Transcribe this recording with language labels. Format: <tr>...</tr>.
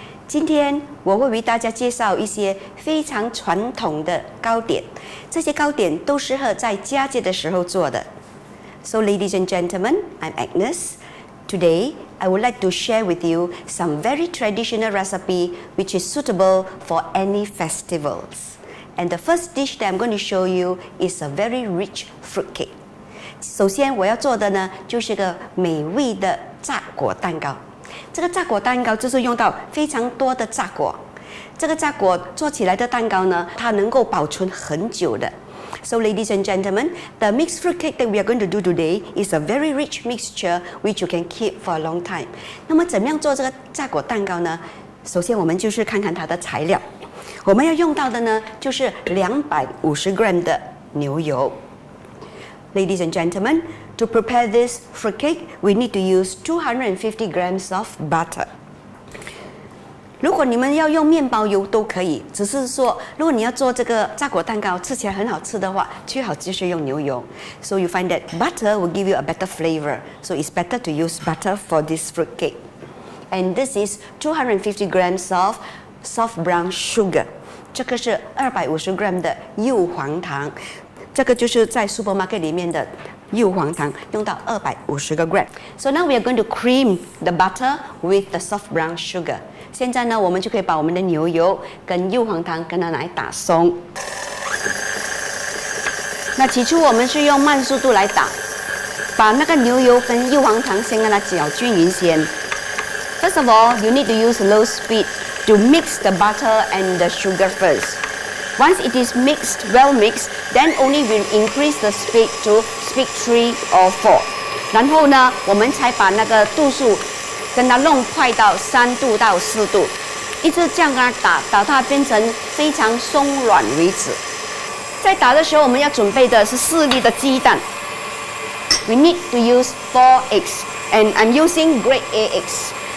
<zh>今天我会为大家介绍一些非常传统的糕点，这些糕点都适合在佳节的时候做的。</zh> <en>So ladies and gentlemen, I'm Agnes. Today, I would like to share with you some very traditional recipe which is suitable for any festivals. And the first dish that I'm going to show you is a very rich fruit cake.</en> <zh>首先我要做的呢，就是个美味的榨果蛋糕。这个榨果蛋糕就是用到非常多的榨果，这个榨果做起来的蛋糕呢，它能够保存很久的。</zh> <en>So ladies and gentlemen, the mixed fruit cake that we are going to do today is a very rich mixture which you can keep for a long time.</en> <zh>那么怎么样做这个榨果蛋糕呢？首先我们就是看看它的材料。我们要用到的呢，就是250g 的牛油。</zh> <en>Ladies and gentlemen,To prepare this fruit cake, we need to use 250g of butter.</en> <zh>如果你们要用面包油都可以，只是说如果你要做这个榨果蛋糕吃起来很好吃的话，最好就是用牛油。</zh> <en>So you find that butter will give you a better flavor. So it's better to use butter for this fruit cake. And this is 250g of soft brown sugar.</en> <zh>这个是 250g 的柚黄糖，这个就是在 supermarket 里面的柚黄糖，用到250g.</zh> <en>So now we are going to cream the butter with the soft brown sugar.</en> <zh>现在呢，我们就可以把我们的牛油跟柚黄糖跟它来打松。那起初我们是用慢速度来打，把那个牛油跟柚黄糖先跟它搅均匀先。</zh> <en>First of all, you need to use low speed to mix the butter and the sugar first. Once it is mixed, well mixed, then only we increase the speed to speed 3 or 4.</en> <zh>然后呢，我们才把那个度数跟它弄快到3度到4度，一直这样跟它打，打它变成非常松软为止。在打的时候，我们要准备的是4粒的鸡蛋。</zh> <en>We need to use 4 eggs, and I'm using grade A eggs.</en>